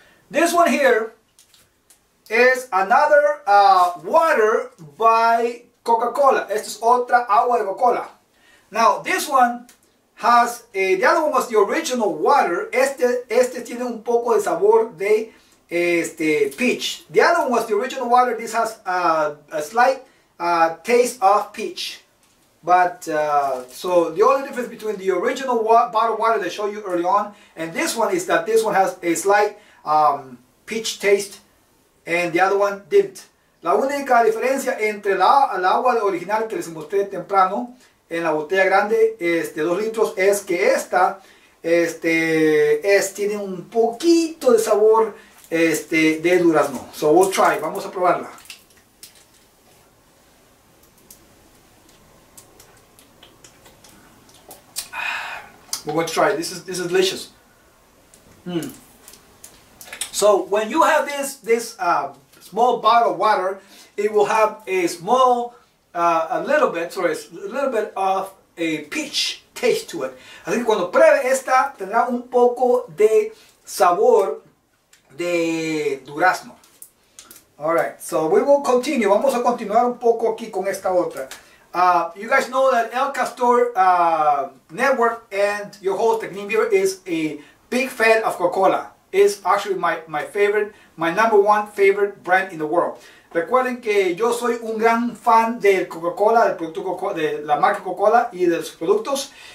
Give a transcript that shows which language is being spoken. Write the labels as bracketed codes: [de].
[en] This one here is another water by Coca-Cola. [es] Esta es otra agua de Coca-Cola. [en] Now this one has the other one was the original water. [es] Este tiene un poco de sabor de peach. [en] The other one was the original water. This has a slight taste of peach. But so the only difference between the original bottled water that I showed you early on and this one is that this one has a slight peach taste and the other one didn't. [es] La única diferencia entre la agua original que les mostré temprano en la botella grande, 2 litros, es que esta tiene un poquito de sabor de durazno. [en] So we'll try, [es] vamos a probarla. [en] We're going to try it. This is delicious. So when you have this small bottle of water, it will have a little bit of a peach taste to it. [es] Así que cuando pruebe esta, tendrá un poco de sabor de durazno. [en] Alright, so we will continue. [es] Vamos a continuar un poco aquí con esta otra. [en] You guys know that El Castor Network and your host Technique Beaver is a big fan of Coca-Cola. It's actually my favorite, my number one favorite brand in the world. [es] Recuerden que yo soy un gran fan de Coca-Cola, del producto Coca-Cola, de la marca Coca-Cola y de sus productos.